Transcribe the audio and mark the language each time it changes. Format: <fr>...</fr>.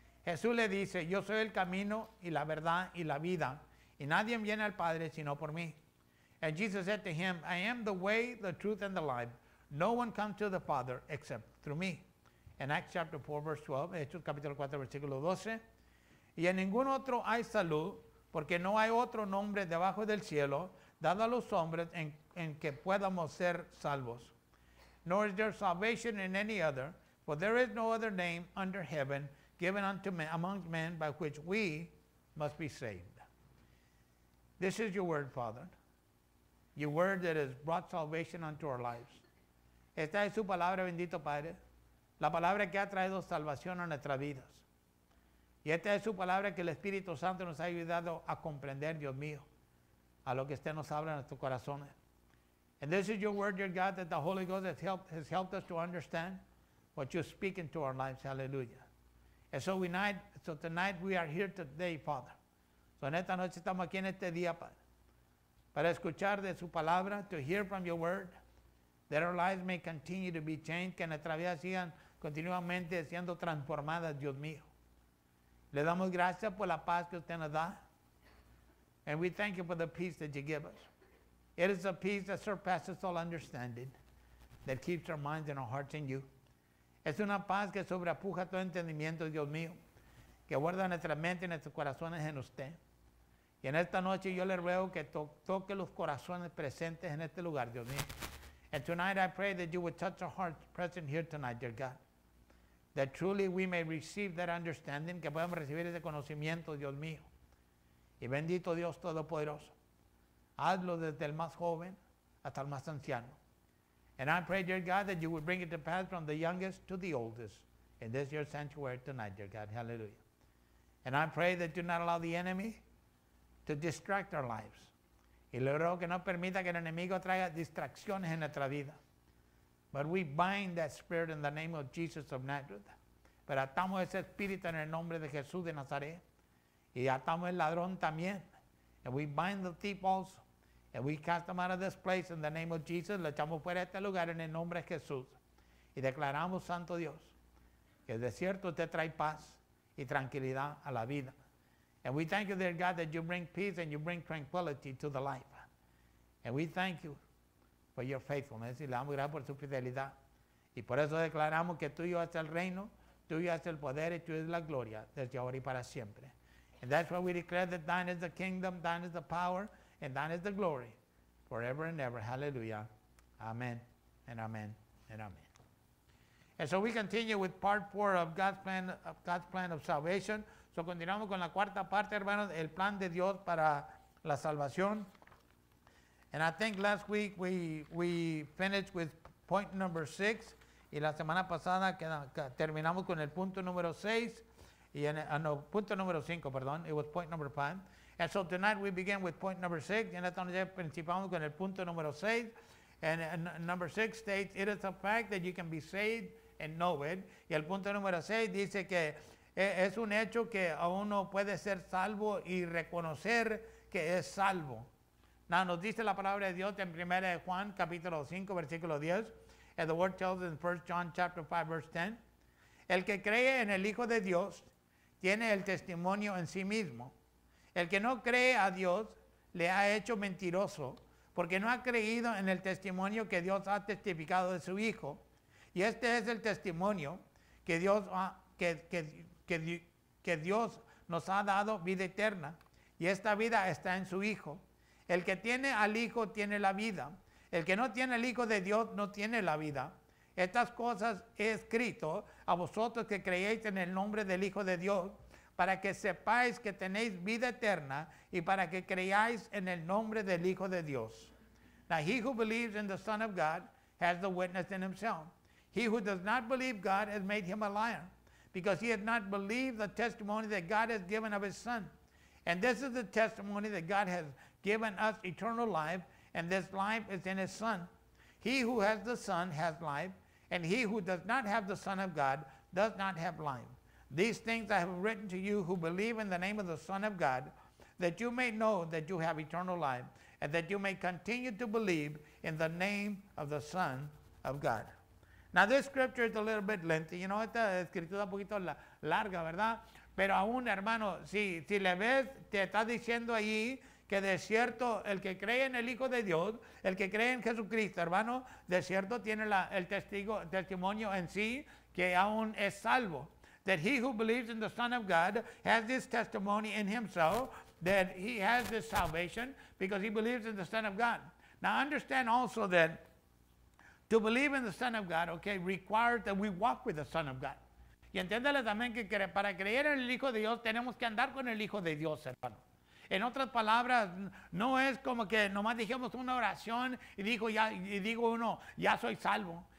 <es>Jesús le dice, yo soy el camino y la verdad y la vida, y nadie viene al Padre sino por mí.</es> <en>And Jesus said to him, I am the way, the truth, and the life. No one comes to the Father except through me. In Acts chapter 4, verse 12,</en> <es>Hechos capítulo 4, versículo 12. Y en ningún otro hay salud, porque no hay otro nombre debajo del cielo dado a los hombres en que podamos ser salvos.</es> <en>Nor is there salvation in any other, for there is no other name under heaven given unto men, among men, by which we must be saved. This is your word, Father. Your word that has brought salvation unto our lives.</en> <es>Esta es su palabra, bendito Padre. La palabra que ha traído salvación a nuestras vidas. Y esta es su palabra que el Espíritu Santo nos ha ayudado a comprender, Dios mío, a lo que usted nos habla en nuestros corazones.</es> <en>And this is your word, dear God, that the Holy Ghost has helped us to understand what you speak into our lives. Hallelujah. And so tonight we are here today, Father.</en> <es>So en esta noche estamos aquí en este día, Padre, para escuchar de su palabra,</es> <en>to hear from your word,</en> <es>that our lives may continue to be changed, que nuestras vidas sigan continuamente siendo transformadas, Dios mío. Le damos gracias por la paz que usted nos da.</es> <en>And we thank you for the peace that you give us. It is a peace that surpasses all understanding, that keeps our minds and our hearts in you.</en> <es>Es una paz que sobrepuja todo entendimiento, Dios mío, que guarda nuestra mente y nuestros corazones en usted. Y en esta noche yo le ruego que toque los corazones presentes en este lugar, Dios mío.</es> <en>And tonight I pray that you would touch our hearts present here tonight, dear God. That truly we may receive that understanding,</en> <es>que podamos recibir ese conocimiento, Dios mío. Y bendito Dios Todopoderoso, hazlo desde el más joven hasta el más anciano.</es> <en>And I pray, dear God, that you would bring it to pass from the youngest to the oldest in this your sanctuary tonight, dear God. Hallelujah. And I pray that you not allow the enemy to distract our lives.</en> <es>Y le ruego que no permita que el enemigo traiga distracciones en nuestra vida.</es> <en>But we bind that spirit in the name of Jesus of Nazareth.</en> <es>Pero atamos ese espíritu en el nombre de Jesús de Nazaret. Y atamos el ladrón también.</es> <en>And we bind the thief also. And we cast them out of this place in the name of Jesus.</en> <es>Lo echamos fuera de este lugar en el nombre de Jesús. Y declaramos, Santo Dios, que de cierto usted trae paz y tranquilidad a la vida.</es> <en>And we thank you, dear God, that you bring peace and you bring tranquility to the life. And we thank you for your faithfulness.</en> <es>Y le damos gracias por su fidelidad. Y por eso declaramos que tuyo es el reino, tuyo es el poder y tuyo es la gloria desde ahora y para siempre.</es> <en>And that's why we declare that thine is the kingdom, thine is the power, and thine is the glory forever and ever. Hallelujah. Amen and amen and amen. And so we continue with part four of God's plan of salvation.</en> <es>So continuamos con la cuarta parte, hermanos, el plan de Dios para la salvación.</es> <en>And I think last week we finished with point number six.</en> <es>Y la semana pasada terminamos con el punto número seis. Y en, no, punto número cinco, perdón.</es> <en>It was point number five. And so tonight we begin with point number six.</en> <es>Y en esta noche principamos con el punto número seis.</es> <en>And number six states, it is a fact that you can be saved and know it.</en> <es>Y el punto número seis dice que es un hecho que uno puede ser salvo y reconocer que es salvo. Now, nos dice la palabra de Dios en 1 Juan, capítulo 5, versículo 10.</es> <en>And the word tells in 1 John, chapter 5, verse 10.</en> <es>El que cree en el Hijo de Dios tiene el testimonio en sí mismo. El que no cree a Dios le ha hecho mentiroso porque no ha creído en el testimonio que Dios ha testificado de su Hijo. Y este es el testimonio que Dios ha que Dios nos ha dado vida eterna, y esta vida está en su Hijo. El que tiene al Hijo tiene la vida. El que no tiene el Hijo de Dios no tiene la vida. Estas cosas he escrito a vosotros que creéis en el nombre del Hijo de Dios, para que sepáis que tenéis vida eterna y para que creáis en el nombre del Hijo de Dios.</es> <en>Now he who believes in the Son of God has the witness in himself. He who does not believe God has made him a liar, because he had not believed the testimony that God has given of his Son. And this is the testimony that God has given us eternal life, and this life is in his Son. He who has the Son has life, and he who does not have the Son of God does not have life. These things I have written to you who believe in the name of the Son of God, that you may know that you have eternal life, and that you may continue to believe in the name of the Son of God. Now this scripture is a little bit lengthy. You know,</en> <es>esta escritura un poquito larga, ¿verdad? Pero aún, hermano, si le ves, te está diciendo allí que de cierto, el que cree en el Hijo de Dios, el que cree en Jesucristo, hermano, de cierto tiene el testimonio en sí que aún es salvo.</es> <en>That he who believes in the Son of God has this testimony in himself that he has this salvation because he believes in the Son of God. Now understand also that to believe in the Son of God, okay, requires that we walk with the Son of God.</en> <es>Y entiéndale también que para creer en el Hijo de Dios tenemos que andar con el Hijo de Dios, hermano. En otras palabras, no es como que nomás dijimos una oración y digo uno, ya soy salvo.</es>